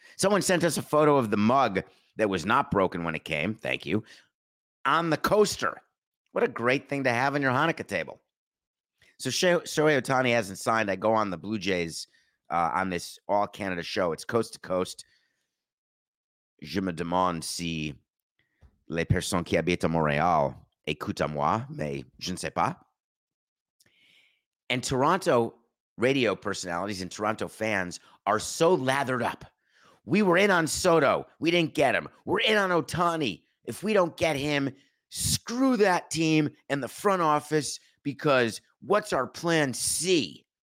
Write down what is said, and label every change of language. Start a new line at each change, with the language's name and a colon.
English: Someone sent us a photo of the mug that was not broken when it came. Thank you. On the coaster. What a great thing to have on your Hanukkah table. So Shohei Ohtani hasn't signed. I go on the Blue Jays on this all-Canada show. It's coast to coast.
French: Je me demande si les personnes qui habitent à Montréal... Écoute-moi, mais je ne sais pas.
English: And Toronto radio personalities and Toronto fans are so lathered up. We were in on Soto. We didn't get him. We're in on Ohtani. If we don't get him, screw that team and the front office, because what's our plan C?